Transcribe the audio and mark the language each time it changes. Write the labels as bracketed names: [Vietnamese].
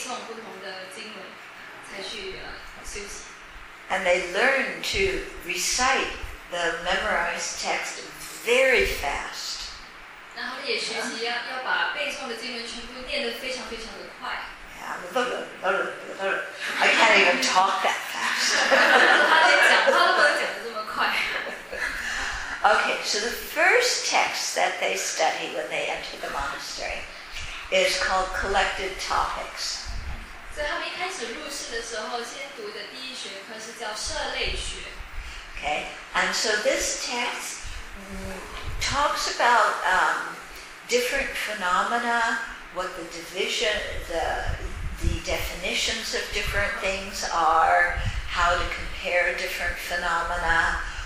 [Chinese] 所以在一个藏传道场一天到晚的整个行程，就是早上一开始就会背这些偈文，背经典，然后之后就有上课，先去做早课，然后就去上课，然后下午傍晚都有辩经，然后最后晚上还是继续背诵不同的经文，才去休息。 [English] And they learn to recite the memorized text very fast. [Chinese] 然后也学习要把背诵的经文全部念得非常非常的快。 [English] I can't even talk that fast. [Chinese] 他连讲话都不能讲得这么快。Okay, [English] so the first text that they study when they enter the monastery is called Collected Topics. [Chinese] 所以他们一开始入世的时候，先读的第一学科是叫舍类学。 [English] Okay, and so this text talks about different phenomena, what the division, the definitions of different things are, how to compare different phenomena.